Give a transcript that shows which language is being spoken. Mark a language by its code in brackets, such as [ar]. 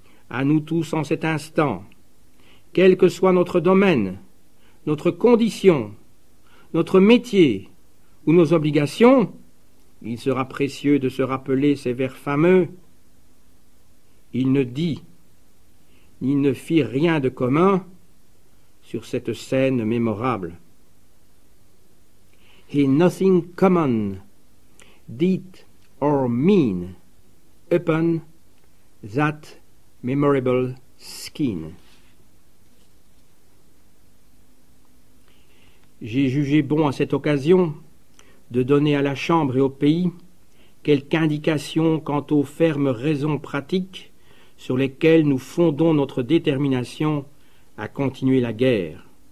[fr] À nous tous en cet instant, quel que soit notre domaine, notre condition, notre métier ou nos obligations, il sera précieux de se rappeler ces vers fameux. Il ne dit, ni ne fit rien de commun sur cette scène mémorable. [en] He nothing common did or mean upon that memorable scene. [fr] J'ai jugé bon à cette occasion de donner à la Chambre et au pays quelques indications quant aux fermes raisons pratiques sur lesquelles nous fondons notre détermination à continuer la guerre.